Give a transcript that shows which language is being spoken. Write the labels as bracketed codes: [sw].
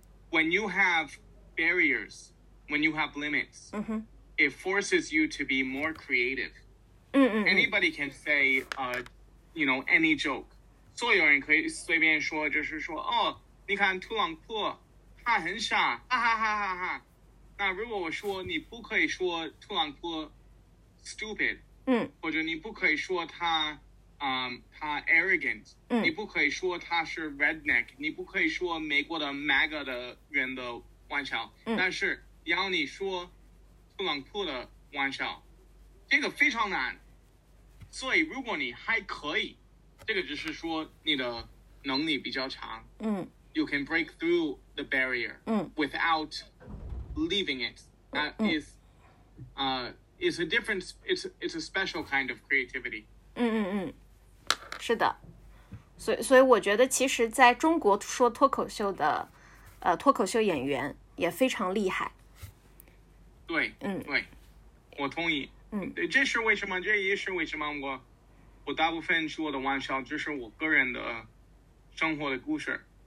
[en] When you have barriers, when you have limits, it forces you to be more creative. Anybody can say, you know, any joke. [zh] 所有人可以随便说，就是说，哦，你看特朗普，他很傻，哈哈哈哈哈。那如果我说你不可以说特朗普 stupid。或者你不可以说他他 arrogant， 你不可以说他是 redneck， 你不可以说美国的 MAGA 的人的玩笑，但是要你说特朗普的玩笑这个非常难。所以如果你还可以，这个只是说你的能力比较强， [en] you can break through the barrier without leaving it. That is It's a different, it's a special kind of creativity. [zh] 是的。所以我觉得其实在中国说脱口秀的脱口秀演员也非常厉害。对，对，我同意。这是为什么，这也是为什么我大部分说的玩笑就是我个人的生活的故事。